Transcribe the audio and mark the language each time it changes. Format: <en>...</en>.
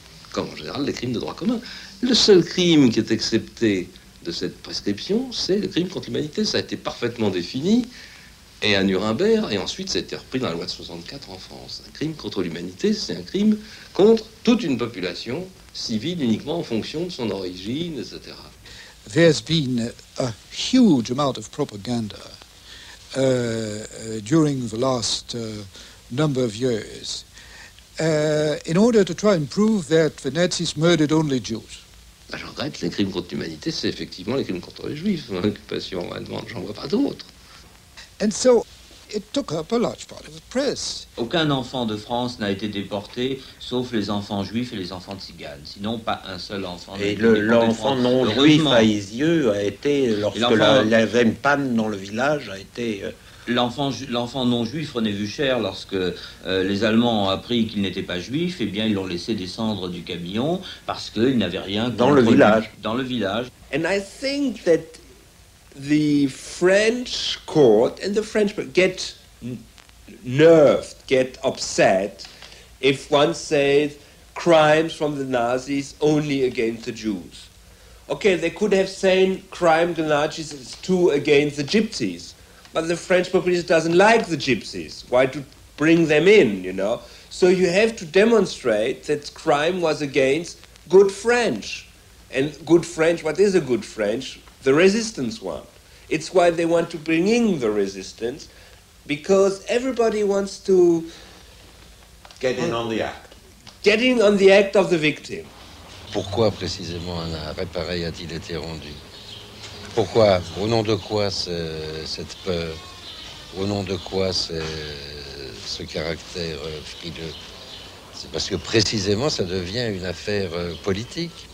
<fr>Comme en général les crimes de droit commun. Le seul crime qui est excepté de cette prescription, c'est le crime contre l'humanité. Ça a été parfaitement défini et à Nuremberg, et ensuite ça a été repris dans la loi de 64 en France. Un crime contre l'humanité, c'est un crime contre toute une population civile uniquement en fonction de son origine, etc.</fr> <en>There's been a huge amount of propaganda during the last number of years. In order to try and prove that the Nazis murdered only Jews.</en> <fr>Ben, je regrette, les crimes contre l'humanité, c'est effectivement les crimes contre les Juifs. L'occupation allemande, j'en vois pas d'autres.</fr> <en>And so, it took up a large part of the press.</en> <fr>Aucun enfant de France n'a été déporté, sauf les enfants juifs et les enfants tziganes. Sinon, pas un seul enfant. Et l'enfant non juif à Izieux a été, lorsque la Vempanne dans le village a été... L'enfant non-juif, René Vucher, lorsque les Allemands ont appris qu'il n'était pas juif, eh bien, ils l'ont laissé descendre du camion parce qu'il n'avait rien... Dans le village.</fr> <en>And I think that the French court and the French get nerved, get upset, if one says crimes from the Nazis only against the Jews. Okay, they could have said crime the Nazis is too against the Gypsies. But the French population doesn't like the gypsies. Why to bring them in, you know? So you have to demonstrate that crime was against good French. And good French, what is a good French? The resistance one. It's why they want to bring in the resistance, because everybody wants to... Get in on the act. Get in on the act of the victim.</en> <fr>Pourquoi précisément un arrêt pareil a-t-il été rendu? Pourquoi? Au nom de quoi cette peur? Au nom de quoi ce caractère frileux? C'est parce que précisément ça devient une affaire politique.</fr>